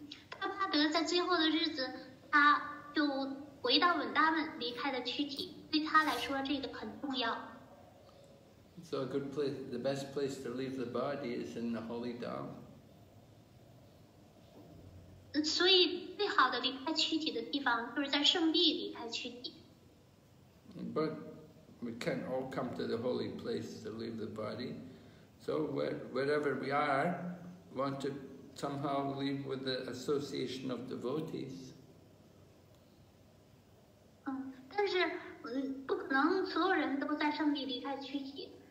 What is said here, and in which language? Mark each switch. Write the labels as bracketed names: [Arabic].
[Chinese] 帕帕德在最后的日子，他就回到 Vrindavan， 离开了躯体。对他来说，这个很重要。 [English] So a good place, the best place to leave the body is in the holy dham. [Chinese] 所以最好的离开躯体的地方就是在圣地离开躯体。 [English] But we can't all come to the holy place to leave the body. So wherever we are, want to somehow leave with the association of devotees. [Chinese] 但是不可能所有人都在圣地离开躯体。